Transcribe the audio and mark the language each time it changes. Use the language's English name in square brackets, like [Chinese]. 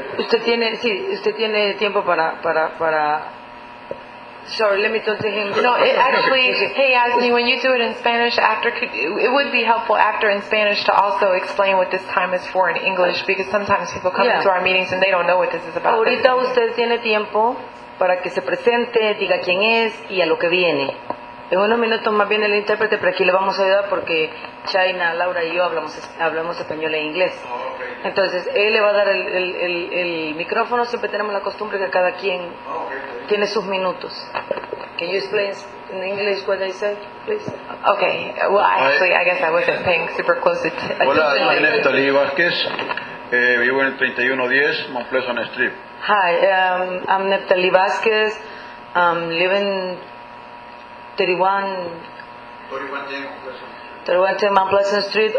[Spanish] Usted tiene tiempo para. [English] Sorry, let me talk to him. No, it actually, hey, Asni, when you do it in Spanish, after, it would be helpful after in Spanish to also explain what this time is for in English, because sometimes people come into our meetings and they don't know what this is about. [Spanish] Ahorita usted tiene tiempo para que se presente, diga quién es y a lo que viene. En unos minutos más viene el intérprete, pero aquí le vamos a ayudar porque China, Laura y yo hablamos español e inglés. Entonces, él le va a dar el micrófono. Siempre tenemos la costumbre que cada quien tiene sus minutos. [English] Can you explain in English what I said, please? Okay, well, actually, I guess I wasn't paying super close attention. [Spanish] Hola, soy Neftali Vázquez. Vivo en el 3110 Mount Pleasant Street. [English] Hi, I'm Neftali Vázquez. I'm living 3110 Mount Pleasant Street.